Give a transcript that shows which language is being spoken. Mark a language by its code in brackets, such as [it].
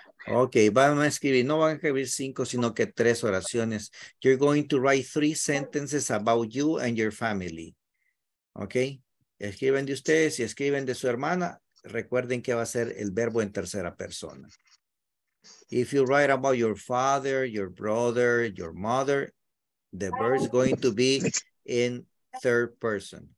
[es] Okay, vamos a escribir, no van a escribir cinco, sino que tres oraciones. [en] You're going to write three sentences about you and your family. [es] Okay, escriben de ustedes y escriben de su hermana. Recuerden que va a ser el verbo en tercera persona. [en] If you write about your father, your brother, your mother, the verb is going to be in third person.